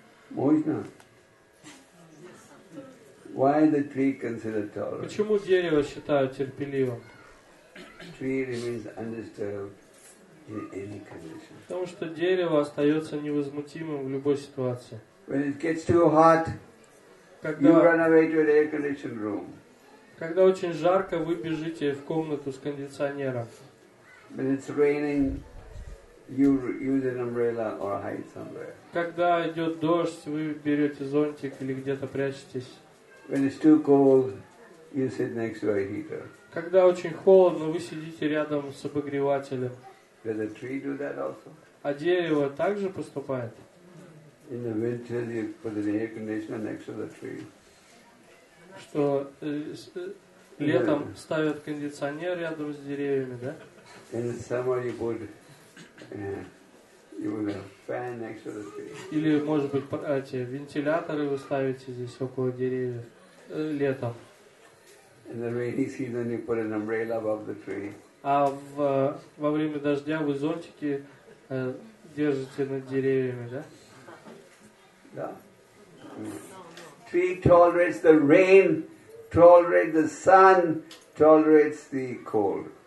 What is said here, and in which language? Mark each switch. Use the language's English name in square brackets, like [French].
[Russian] Можно? [English] Why the tree considered tolerant? [Russian] Почему дерево считают терпеливым? [English] Tree remains undisturbed in any condition. [Russian] Потому что дерево остается невозмутимым в любой ситуации. [English] When it gets too hot, you run away to an air-conditioned room. [Russian] Когда очень жарко, вы бежите в комнату с кондиционером. [English] When it's raining, you use an umbrella or hide somewhere. [Russian] Когда идет дождь, вы берете зонтик или где-то прячетесь. [English] When it's too cold, you sit next to a heater. [Russian] Когда очень холодно, вы сидите рядом с обогревателем. [English] Does the tree do that also? [Russian] А дерево также поступает? [English] In the winter, you put an air conditioner next to the tree. [Russian] Что летом ставят кондиционер рядом с деревьями, да? [English] In the summer, you put you have a fan next to the tree. [Russian] Или, может быть, эти вентиляторы вы ставите здесь около деревьев летом. [English] In the rainy season, you put an umbrella above the tree. [Russian] А во время дождя вы зонтики держите над деревьями, да? Да. [English] Yeah. Tree tolerates the rain, tolerates the sun, tolerates the cold.